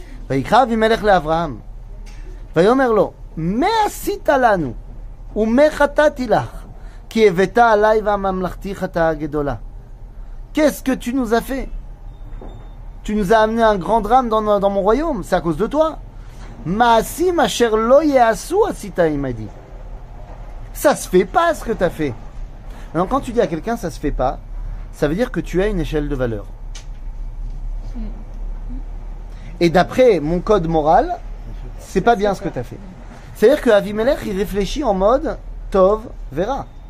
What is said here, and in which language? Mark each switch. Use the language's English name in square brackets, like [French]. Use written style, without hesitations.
[Hebrew] ויקרא אבימלך לאברהם ויאמר לו מה עשית לנו ומה חטאתי לך כי הבאת עליי והממלכתי חטאה גדולה. [French] Qu'est-ce que tu nous as fait? Tu nous as amené un grand drame dans mon royaume, c'est à cause de toi. [Hebrew] מעשים אשר לא יעשו עשית עמדי. [French] Ça se fait pas ce que tu as fait. Alors quand tu dis à quelqu'un ça se fait pas, ça veut dire que tu as une échelle de valeur. Et d'après mon code moral, c'est pas bien ce que tu as fait. C'est-à-dire que Avimelech, il réfléchit en mode Tov Vera.